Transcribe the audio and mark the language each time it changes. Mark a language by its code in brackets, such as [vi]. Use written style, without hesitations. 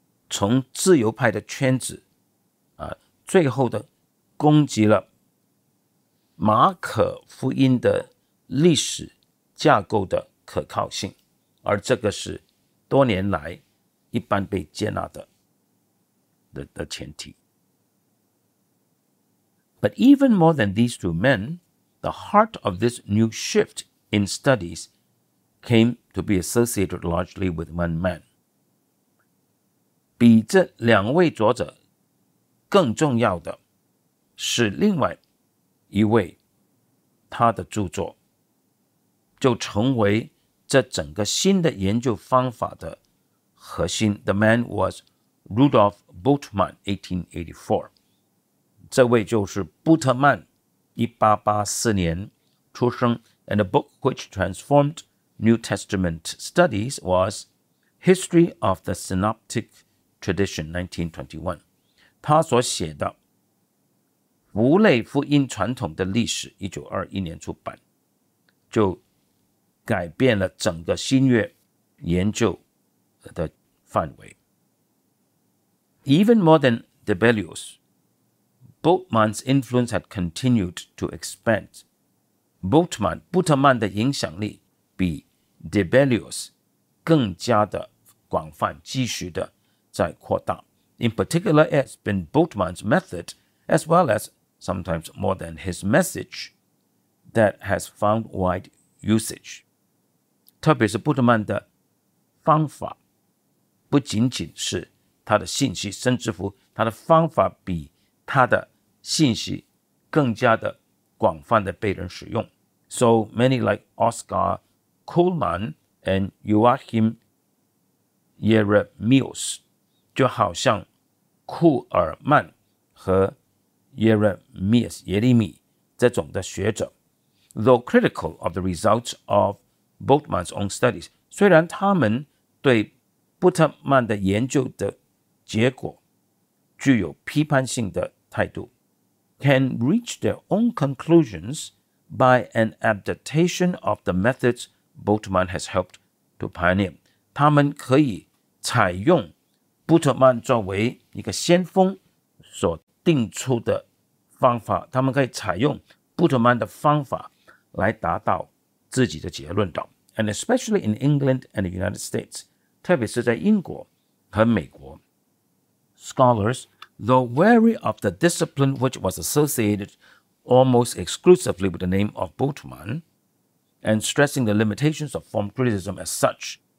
[zh] 从自由派的圈子、啊、最后的攻击了马可福音的历史架构的可靠性。而这个是多年来一般被接纳 的前提。 [en] But even more than these two men, the heart of this new shift in studies came to be associated largely with one man. [zh] 比这两位作者更重要的是另外一位他的著作就成为这整个新的研究方法的核心 [en] The man was Rudolf Boltmann, 1884. [zh] 这位就是布特曼 ,1884年出生 [en] and a book which transformed New Testament studies was History of the Synoptic Tradition, 1921. [zh] 他所写的福类福音传统的历史 ,1921 年出版就改变了整个新约研究的范围。 [en] Even more than Debellius, Boltmann's influence had continued to expand. [zh] Boltmann, 布特曼的影响力比 Debellius 更加的广泛继续的在扩大。 [en] In particular, it's been Bultmann's method, as well as sometimes more than his message, that has found wide usage. [zh] 特别是布特曼的方法，不仅仅是他的信息，甚至乎他的方法比他的信息更加的广泛的被人使用。 [en] So many like Oscar Kuhlmann and Joachim Jeremius, [zh] 就好像库尔曼和 Jeremius 耶利米这种的学者。 [en] Though critical of the results of Bultmann's own studies, [zh] 虽然他们对布特曼的研究的结果具有批判性的态度， [en] can reach their own conclusions by an adaptation of the methods Bultmann has helped to pioneer. [zh] 他们可以采用布特曼作为一个先锋所定出的方法，他们可以采用布特曼的方法来达到自己的结论的。 [en] And especially in England and the United States, [zh] 特别是在英国和美国， [en] scholars, though wary of the discipline which was associated almost exclusively with the name of Bultmann, and stressing the limitations of form criticism as such,